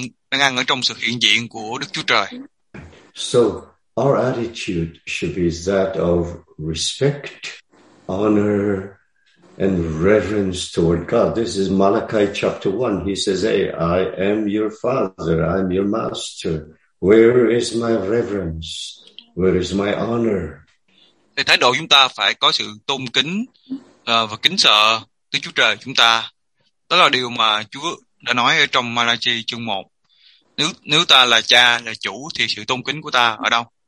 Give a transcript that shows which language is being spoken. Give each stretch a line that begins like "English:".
Vietnamese: Đang ăn ở trong sự hiện diện của Đức Chúa Trời.
English: So our attitude should be that of respect, honor, and reverence toward God. This is Malachi chapter 1. He says, hey, I am your father, I am your master. Where is my reverence? Where is my honor?
Vietnamese: Thì thái độ chúng ta phải có sự tôn kính và kính sợ Đức Chúa Trời chúng ta. Đó là điều mà Chúa đã nói ở trong Malachi chương 1. Nếu ta là cha, là chủ, thì sự tôn kính của ta ở đâu?